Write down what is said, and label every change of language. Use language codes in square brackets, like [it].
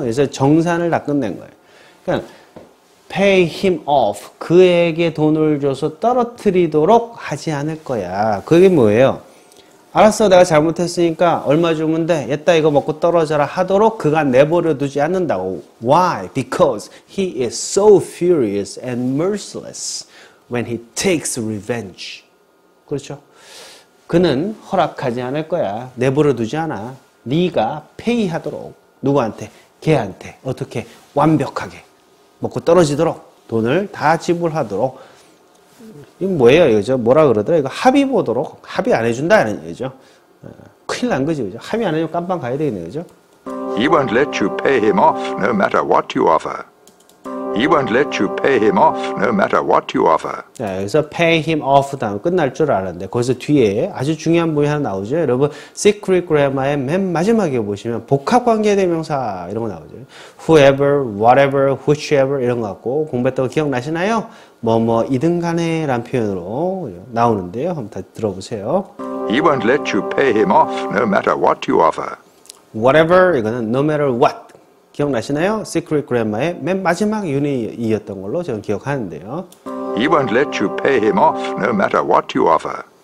[ko] 그래서 정산을 다 끝낸 거예요. [en] pay him off, [ko] 그에게 돈을 줘서 떨어뜨리도록 하지 않을 거야. 그게 뭐예요? 알았어, 내가 잘못했으니까 얼마 주면 돼, 옛다 이거 먹고 떨어져라 하도록 그가 내버려 두지 않는다고. [en] Why? Because he is so furious and merciless when he takes revenge. [ko] 그렇죠? 그는 허락하지 않을 거야. 내버려 두지 않아. 네가 pay 하도록. 누구한테? 걔한테. 어떻게? 완벽하게. 먹고 떨어지도록. 돈을 다 지불하도록. 이건 뭐예요, 이거죠? 뭐라 그러더라? 이거 합의 보도록. 합의 안 해준다, 이런 얘기죠. 큰일 난 거지, 그죠? 합의 안 해주면 깜빵 가야 되겠네, 그죠? [en] He won't let you pay him off, no matter what you offer. He won't let you pay him off, no matter what you offer. [ko] 네, 여기서 [en] pay him off [ko] 다음 끝날 줄 알았는데, 거기서 뒤에 아주 중요한 부분이 하나 나오죠. 여러분, secret grammar의 맨 마지막에 보시면 복합관계대명사 이런 거 나오죠. Whoever, whatever, whichever 이런 거 갖고 공부했던 거 기억나시나요? 뭐뭐 이든 간에란 표현으로 나오는데요. 한번 다시 들어보세요. [en] He won't let you pay him off, no matter what you offer. [ko] Whatever, 이거는 [en] no matter what. [ko] 기억나시나요? Secret Grammar의 맨 마지막 유닛이었던 걸로 저는 기억하는데요. [en] He won't let you pay him off, no matter what you offer.